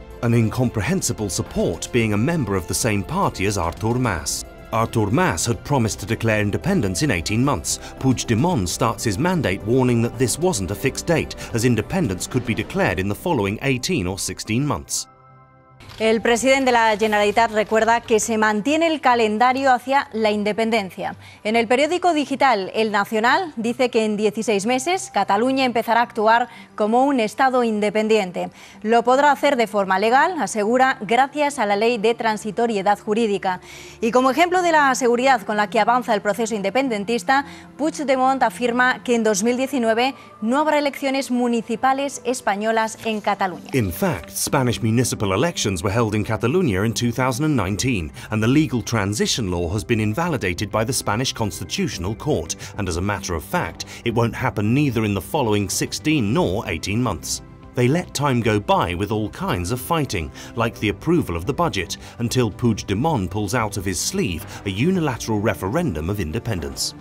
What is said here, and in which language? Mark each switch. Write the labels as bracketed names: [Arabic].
[English] An incomprehensible support, being a member of the same party as Artur Mas. Artur Mas had promised to declare independence in 18 months. Puigdemont starts his mandate warning that this wasn't a fixed date, as independence could be declared in the following 18 or 16 months. [Spanish] El presidente de la Generalitat recuerda que se mantiene el calendario hacia la independencia. En el periódico digital El Nacional dice que en 16 meses Cataluña empezará a actuar como un Estado independiente. Lo podrá hacer de forma legal, asegura, gracias a la ley de transitoriedad jurídica. Y como ejemplo de la seguridad con la que avanza el proceso independentista, Puigdemont afirma que en 2019 no habrá elecciones municipales españolas en Cataluña. [English] In fact, Spanish municipal elections were held in Catalunya in 2019, and the legal transition law has been invalidated by the Spanish Constitutional Court, and as a matter of fact, it won't happen neither in the following 16 nor 18 months. They let time go by with all kinds of fighting, like the approval of the budget, until Puigdemont pulls out of his sleeve a unilateral referendum of independence.